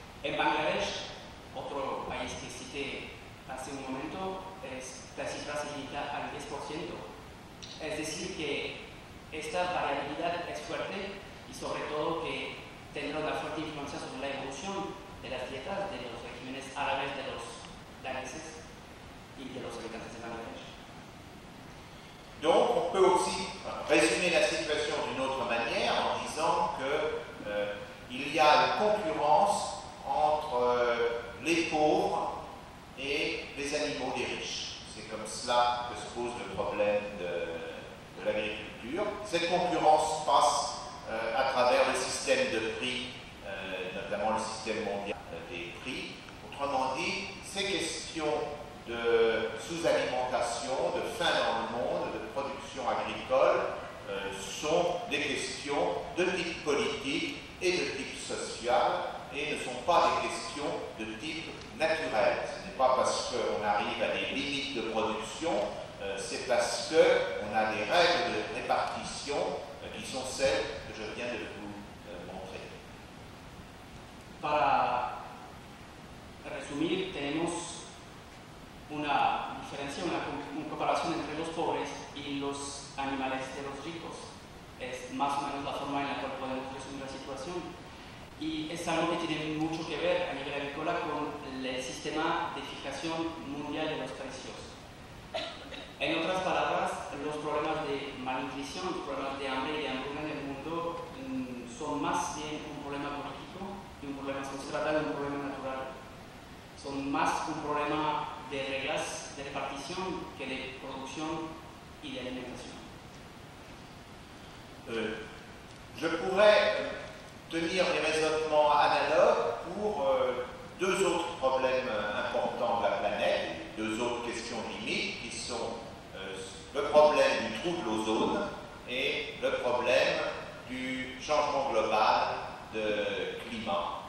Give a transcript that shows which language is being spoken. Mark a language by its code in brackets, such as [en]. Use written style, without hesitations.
[es] En Bangladesh, otro país que cité hace un momento, la cifra se limita al 10%. Es decir, que esta variabilidad es fuerte y, sobre todo, que tendrá una fuerte influencia sobre la evolución de las dietas de los regímenes árabes, de los daneses y de los habitantes de Bangladesh. [fr] Donc, on peut aussi résumer la situation d'une autre manière en disant que il y a une concurrence entre les pauvres et les animaux des riches. C'est comme cela que se pose le problème de l'agriculture. Cette concurrence passe à travers le système de prix, notamment le système mondial des prix. Autrement dit, ces questions de sous-alimentation, de faim dans le monde, de production agricole, sont des questions de type politique et de type social et ne sont pas des questions de type naturel. Ce n'est pas parce qu'on arrive à des limites de production, c'est parce qu'on a des règles de répartition qui sont celles que je viens de vous montrer. [es] Para resumir, tenemos una diferencia, una comparación entre los pobres y los animales de los ricos. Es más o menos la forma en la cual podemos resumir la situación. Y es algo que tiene mucho que ver a nivel agrícola con el sistema de fijación mundial de los precios. En otras palabras, los problemas de malnutrición, los problemas de hambre y de hambruna en el mundo son más bien un problema político y un problema, se trata de un problema natural. Son más un problema de reglas de repartición que de producción y de alimentación. [fr] Je pourrais tenir des raisonnements analogues pour deux autres problèmes importants de la planète, deux autres questions limites qui sont le problème du trouble ozone et le problème du changement global de climat.